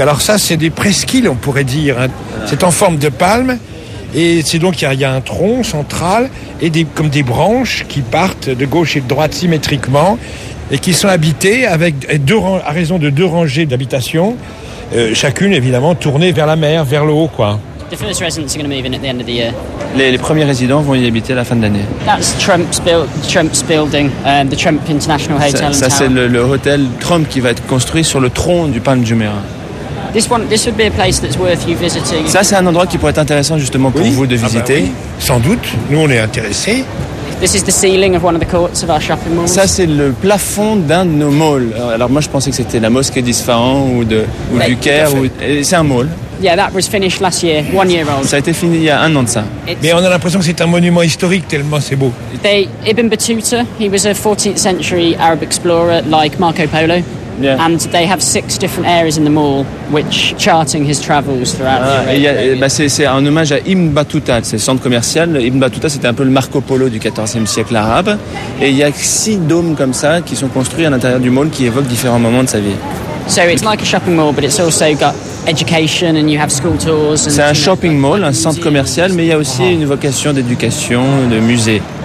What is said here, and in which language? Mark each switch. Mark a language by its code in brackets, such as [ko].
[fr] Alors ça, c'est des presqu'îles, on pourrait dire. C'est en forme de palme. Et c'est donc, il y a un tronc central et comme des branches qui partent de gauche et de droite symétriquement. Et qui sont habités à raison de deux rangées d'habitations chacune évidemment tournée vers la mer, vers le haut, quoi. [en] The first residents are going to move in at the end of the year. [fr] Les premiers résidents vont y habiter à la fin de l'année. [en] That's Trump's building, the Trump International Hotel. [fr] Ça c'est le hôtel Trump qui va être construit sur le tronc du Palm Jumeirah. [en] This would be a place that's worth you visiting. [fr] Ça c'est un endroit qui pourrait être intéressant justement pour vous de visiter. Ah bah oui. Sans doute, nous on est intéressés. [en] This is the ceiling of one of the courts of our shopping malls. [fr] Ça c'est le plafond d'un de nos malls. Alors moi je pensais que c'était la mosquée d'Isfahan ou du Caire. C'est un mall. [en] Yeah, that was finished last year, 1 year old. [fr] Ça a été fini il y a un an de ça. Mais on a l'impression que c'est un monument historique tellement c'est beau. [en] Ibn Battuta, he was a 14th century Arab explorer like Marco Polo. Yeah. And they have six different areas in the mall which charting his travels throughout the year. [fr] C'est un hommage à Ibn Battuta, c'est le centre commercial. Ibn Battuta, c'était un peu le Marco Polo du 14e siècle arabe. Et il y a six dômes comme ça qui sont construits à l'intérieur du mall qui évoquent différents moments de sa vie. [en] So it's like a shopping mall, but it's also got education and you have school tours. And [fr] c'est un shopping mall, un centre commercial, mais il y a aussi une vocation d'éducation, de musée.